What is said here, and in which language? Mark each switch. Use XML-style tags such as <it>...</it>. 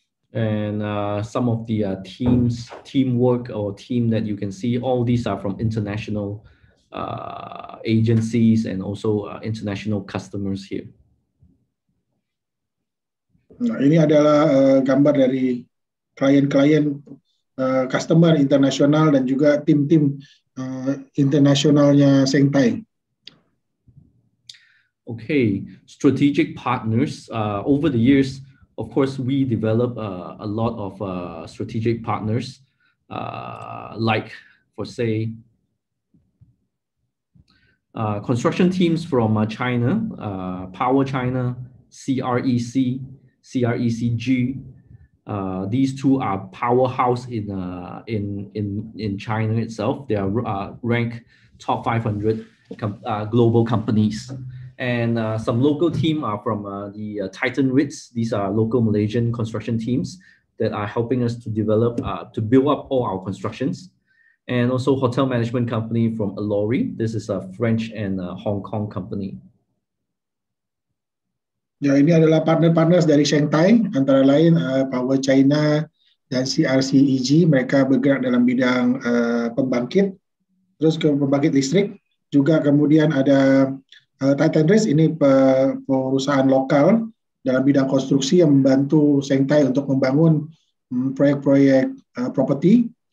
<en>And some of the teamwork or team that you can see, all these are from international agencies and also international customers here.</en> <id>Nah, ini adalah gambar dari klien-klien customer internasional dan juga tim-tim internasionalnya Sheng Tai.</id> <en>Okay, strategic partners. Over the years, of course, we develop a lot of strategic partners, like for say construction teams from China, Power China, CREC. CRECG, these two are powerhouse in China itself. They are ranked top 500 global companies. And some local team are from the Titan Wits. These are local Malaysian construction teams that are helping us to develop, to build up all our constructions. And also hotel management company from Alori. This is a French and Hong Kong company.</en> <id>Ya, ini adalah partner-partner dari Sheng Tai, antara lain Power China dan CRCEG. Mereka bergerak dalam bidang pembangkit, terus ke pembangkit listrik. Juga kemudian ada Titan Race, ini perusahaan lokal dalam bidang konstruksi yang membantu Sheng Tai untuk membangun proyek-proyek properti.</id>